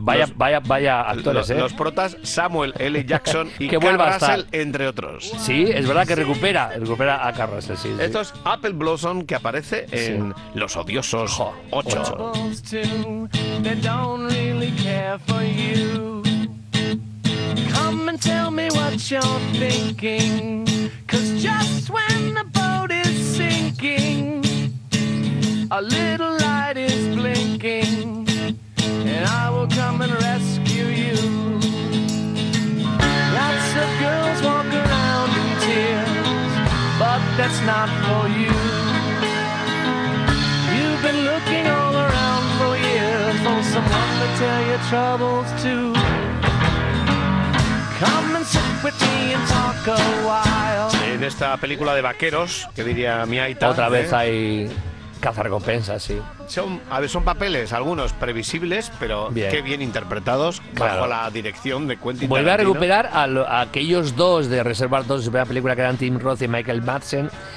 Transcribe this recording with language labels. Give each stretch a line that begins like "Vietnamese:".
Spanish: vaya actores, ¿eh? Los protas, Samuel L. Jackson y Carl Russell, entre otros. Sí, es verdad que recupera a Carl Russell, sí. Esto sí. Es Apple Blossom, que aparece en Los Odiosos 8.
English: Come and tell me what you're thinking, 'cause just when the boat is sinking, a little light is blinking, and I will come and rescue you. Lots of girls walk around in tears, but that's not for you. You've been looking all around for years for someone to tell your troubles to. Come and sit with me and talk a while.
Spanish: En esta película de vaqueros, que diría mi Aita, otra vez hay cazarrecompensas, sí. Son papeles, algunos previsibles, pero bien. Qué bien interpretados, claro. Bajo la dirección de Quentin Tarantino. Vuelve a recuperar a aquellos dos de Reservoir Dogs, su primera película, que eran Tim Roth y Michael Madsen.